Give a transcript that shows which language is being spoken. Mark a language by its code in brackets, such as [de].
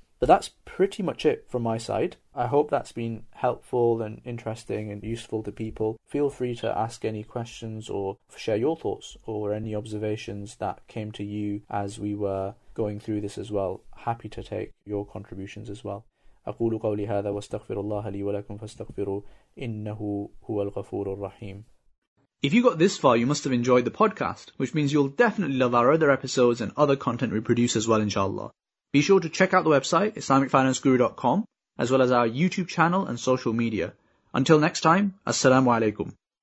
[en] But that's pretty much it from my side. I hope that's been helpful and interesting and useful to people. Feel free to ask any questions or share your thoughts or any observations that came to you as we were going through this as well. Happy to take your contributions as well. [ar] أقول قولي هذا واستغفر الله لي ولكم فاستغفروا إنه هو الغفور الرحيم. [en] If you got this far, you must have enjoyed the podcast, which means you'll definitely love our other episodes and other content we produce as well, inshallah. Be sure to check out the website, islamicfinanceguru.com, as well as our YouTube channel and social media. Until next time, assalamu alaikum.